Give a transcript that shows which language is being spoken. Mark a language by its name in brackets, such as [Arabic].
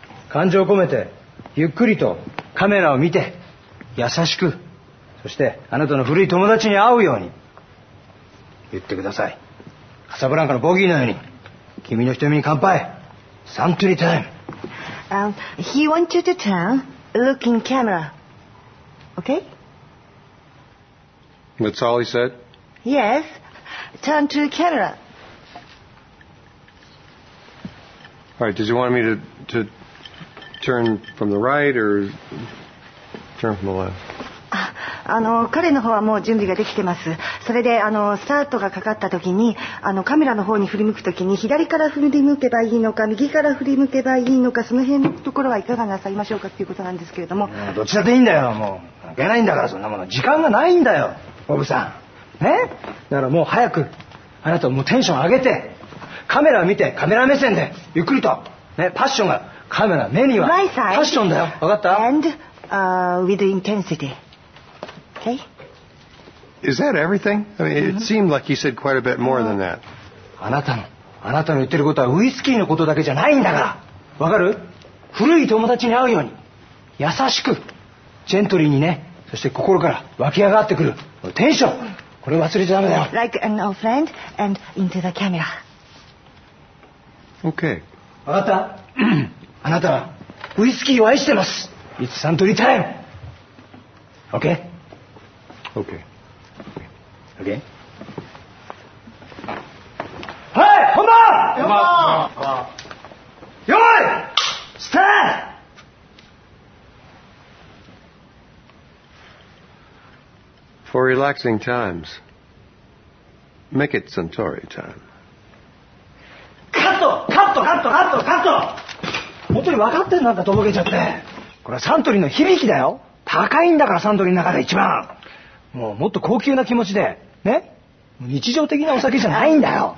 [Japanese] 感情を込めてゆっくりとカメラを見て、優しく、そしてあなたの古い友達に会うように言ってください。カサブランカのボギーのように、君の瞳に乾杯。サントリータイム。 [English] He wants you to turn, look in camera. Okay? That's all he said? Yes. Turn to camera. All right, did you want me to turn from the right or... [Japanese] 彼の方はもう準備ができてます。それでスタートがかかった時にカメラの方に振り向く時に左から振り向けばいいのか右から振り向けばいいのかその辺のところはいかがなさいましょうかということなんですけれども、どちらでいいんだよ、もう関係ないんだから、そんなもの時間がないんだよボブさん、ね、だからもう早くあなたもうテンション上げてカメラを見てカメラ目線でゆっくりと、ね、パッションがカメラ目にはパッションだよ、わかった？ [English] AndWith intensity. Okay? Is that everything? I mean, it seemed like he said quite a bit more than that. [Japanese] あなたの言ってることはウイスキーのことだけじゃないんだから。わかる？古い友達に会うように、優しく、ジェントリーにね、そして心から湧き上がってくる。テンション、これ忘れちゃダメだよ。 [English] Like an old friend and into the camera. Okay. [Japanese] わかった？あなたはウイスキーを愛してます。 [English] It's Santori time. Okay? Okay. Okay? [Japanese] Hey! 本番! 本番! 用意! [English] Start! For relaxing times, make it Santori time. Cut! Cut! Cut! Cut! Cut! [Japanese] 本当に分かってるなんだとぼけちゃって。これはサントリーの響きだよ。高いんだからサントリーの中で一番。もうもっと高級な気持ちで、ね。日常的なお酒じゃないんだよ。